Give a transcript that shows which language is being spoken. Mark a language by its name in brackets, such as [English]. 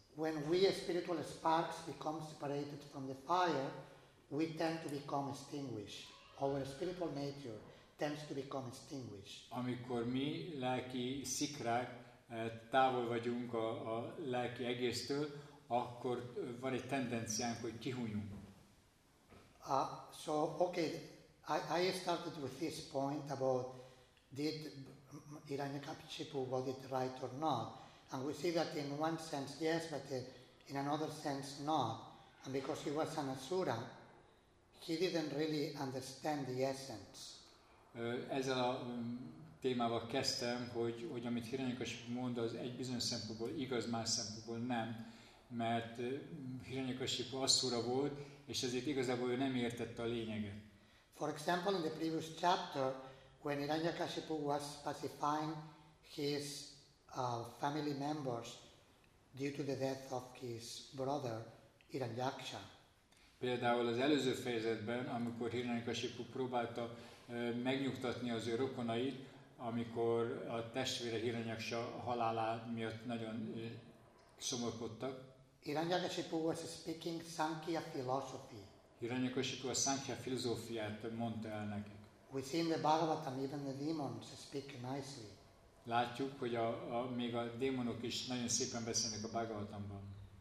[English] When we spiritual sparks become separated from the fire, we tend to become extinguished. Our spiritual nature tends to become extinguished. [Hungarian] Amikor mi lelki szikrák távol vagyunk a lelki egésztől, akkor van egy tendenciánk, hogy kihunyunk. [English] I started with this point about did Hiranyakashipu got it right or not, and we see that in one sense yes, but in another sense not, and because he was an asura, he didn't really understand the essence. [Hungarian] Ezzel a témával kezdtem, hogy amit Hiranyakashipu mond, az egy bizonyos szempontból igaz, más szempontból nem. Mert Hiranyakashipu asszura volt, és ezért igazából ő nem értette a lényeget. [English] For example, in the previous chapter, when Hiranyakashipu was pacifying his family members due to the death of his brother, Hiranyaksha. [Hungarian] Például az előző fejezetben, amikor Hiranyakashipu próbálta megnyugtatni az ő rokonait, amikor a testvére Hiranyaksha halálá miatt nagyon szomorkodtak, [English] Hiranyakashipu was speaking Sankhya philosophy. [Hungarian] Hiranyakashipu a Sankhya filozófiát mondta el nekik. [English] We see in the Bhagavatam even the demons speak nicely. [Hungarian] Látjuk, hogy még a démonok is nagyon szépen beszélnek a Bhagavatamban.